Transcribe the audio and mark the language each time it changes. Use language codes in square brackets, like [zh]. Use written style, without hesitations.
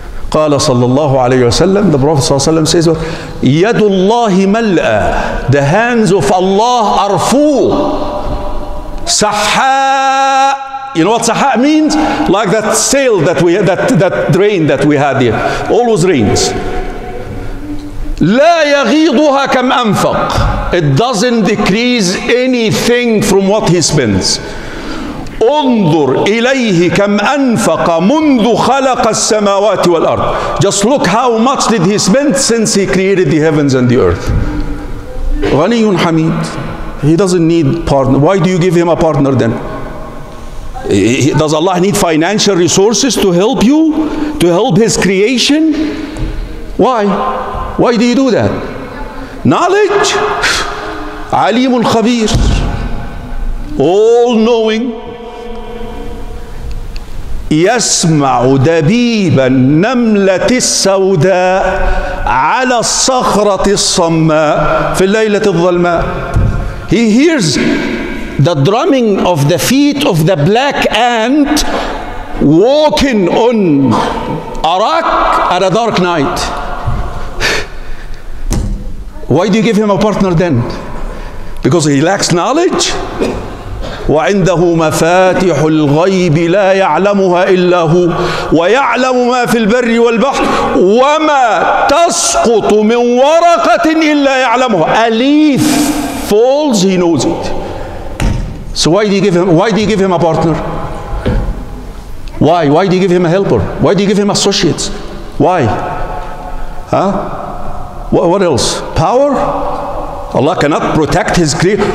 [ar] قال صلى الله عليه وسلم, [en] the Prophet صلى الله عليه وسلم says, [ar] يد الله ملأ, [en] the hands of Allah are full. [ar] سحاء. [en] You know what سحاء means? Like that sail that we had, that drain that we had here. Always rains. [ar] لا يغيضها كم أنفق. [en] It doesn't decrease anything from what he spends. [ar] انظر إليه كم أنفق منذ خلق السماوات والأرض. [en] Just look how much did he spend since he created the heavens and the earth. [ar] غني حميد. [en] He doesn't need partner. Why do you give him a partner then? Does Allah need financial resources to help you? To help his creation? Why? Why do you do that? Knowledge. [ar] عليم الخبير. [en] All knowing. [ar] يسمع دبيب النملة السوداء على الصخرة الصماء في الليلة الظلماء. [en] He hears the drumming of the feet of the black ant walking on a rock at a dark night. Why do you give him a partner then? Because he lacks knowledge? [ar] وعنده مفاتيح الغيب لا يعلمها إلا هو ويعلم ما في البر والبحر وما تسقط من ورقة إلا يعلمها. [en] A leaf falls, he knows it. So why do you give him a partner? Why do you give him a helper? Why do you give him associates? Why? Huh? What else? Power? Allah cannot protect his creation.